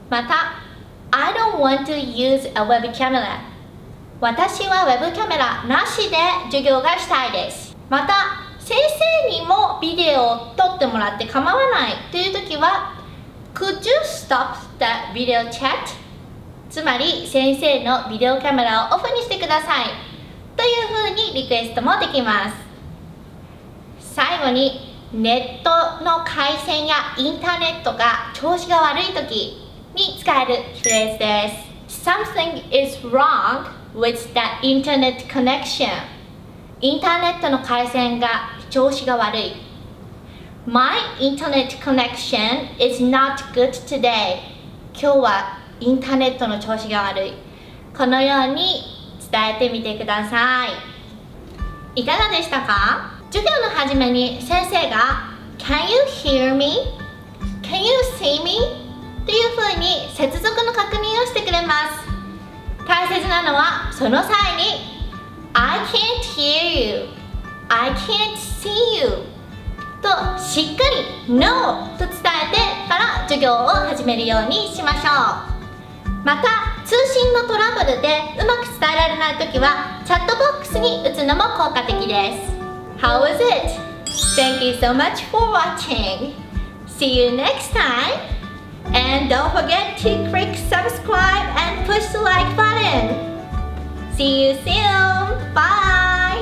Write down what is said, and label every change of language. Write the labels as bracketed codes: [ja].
[ja] また、 [en] I don't want to use a web camera. [ja] 私はウェブカメラなしで授業がしたいです。また、先生にもビデオを撮ってもらって構わないという時は、 [en] Could you stop the video chat? [ja] つまり、先生のビデオカメラをオフにしてください。というふうにリクエストもできます。最後に、ネットの回線やインターネットが調子が悪い時、に使えるフレーズです。 [en] Something is wrong with the internet connection. [ja] インターネットの回線が調子が悪い。 [en] My internet connection is not good today. [ja] 今日はインターネットの調子が悪い。このように伝えてみてください。いかがでしたか？授業の始めに先生が [en] Can you hear me? Can you see me? [ja] というふうに接続の確認をしてくれます。大切なのはその際に [en] I can't hear you I can't see you [ja] としっかり No と伝えてから授業を始めるようにしましょう。また通信のトラブルでうまく伝えられないときはチャットボックスに打つのも効果的です。 [en] How was it? Thank you so much for watching. See you next timeAnd don't forget to click subscribe and push the like button. See you soon. Bye.